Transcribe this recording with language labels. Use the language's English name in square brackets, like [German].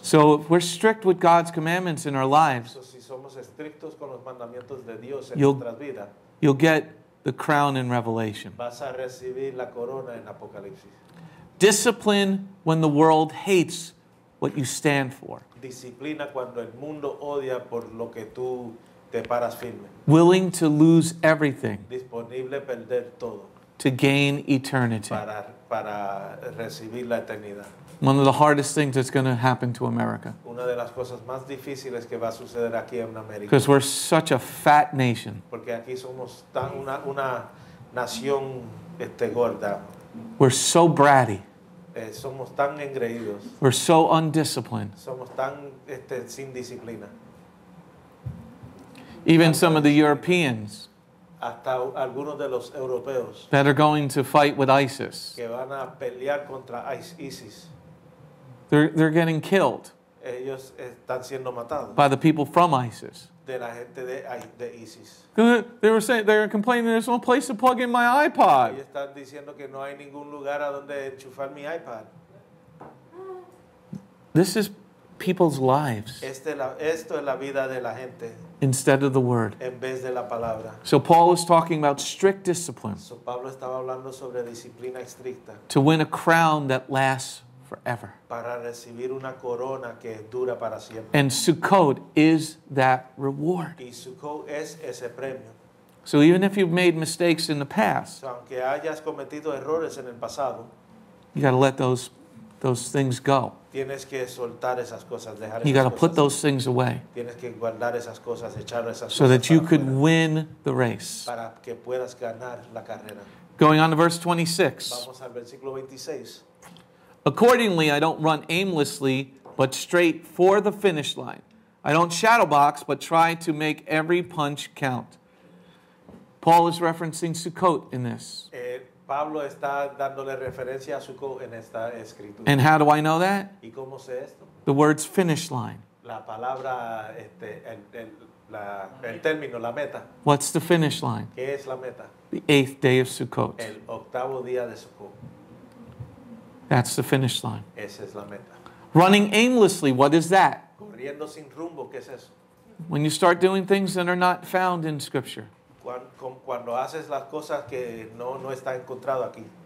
[English] So if we're strict with God's commandments in our lives, [Spanish] so si somos estrictos con los mandamientos de Dios en nuestra vida, [English] you'll get the crown in Revelation. [Spanish] Vas a recibir la corona en Apocalipsis. [English] Discipline when the world hates what you stand for. [Spanish] Disciplina cuando el mundo odia por lo que tú te paras firme. [English] Willing to lose everything. [Spanish] Disponible a perder todo. [English] To gain eternity. [Spanish] Para recibir la eternidad. [English] One of the hardest things that's going to happen to America. [Spanish] Una de las cosas más difíciles que va a suceder aquí en América. [English] Because we're such a fat nation. [Spanish] Porque aquí somos tan una nación gorda. [English] We're so bratty. [Spanish] Somos tan engreídos. [English] We're so undisciplined. [Spanish] Somos tan sin disciplina. [English] Even some of the Europeans. [Spanish] Hasta algunos de los europeos. [English] That are going to fight with ISIS. [Spanish] Que van a pelear contra ISIS. [English] They're getting killed. [Spanish] Ellos están siendo matados. [English] By the people from ISIS. [Spanish] De la gente de ISIS. [English] They were saying, they were complaining, there's no place to plug in my iPod. [Spanish] Ellos están diciendo que no hay ningún lugar a donde enchufar mi iPod. [English] This is people's lives. [Spanish] Esto es la vida de la gente. [English] Instead of the word. [Spanish] En vez de la palabra. [English] So Paul is talking about strict discipline. [Spanish] So Pablo estaba hablando sobre disciplina estricta. [English] To win a crown that lasts forever. [Spanish] Para recibir una corona que dura para siempre. [English] And Sukkot is that reward. [Spanish] Y Sukkot es ese premio. [English] So even if you've made mistakes in the past, [Spanish] so aunque hayas cometido errores en el pasado, [English] you got to let those things go. [Spanish] Tienes que soltar esas cosas, dejar [English] you got to put those things away. [Spanish] Tienes que guardar esas cosas, echar esas [English] so [Spanish] cosas [English] that you could [Spanish] fuera. [English] Win the race. [Spanish] Para que puedas ganar la carrera. [English] Going on to verse 26. [Spanish] Vamos al versículo 26. [English] Accordingly, I don't run aimlessly, but straight for the finish line. I don't shadow box, but try to make every punch count. Paul is referencing Sukkot in this. [Spanish] Pablo está dándole referencia a Sukkot en esta escritura. [English] And how do I know that? [Spanish] ¿Y cómo sé esto? [English] The word's finish line. [Spanish] La palabra, el término, la meta. [English] What's the finish line? [Spanish] ¿Qué es la meta? [English] The eighth day of Sukkot. [Spanish] El octavo día de Sukkot. [English] That's the finish line. [Spanish] Esa es la meta. [English] Running aimlessly, what is that? [Spanish] Corriendo sin rumbo, ¿qué es eso? [English] When you start doing things that are not found in Scripture. [Spanish] Cuando haces las cosas que no está encontrado aquí.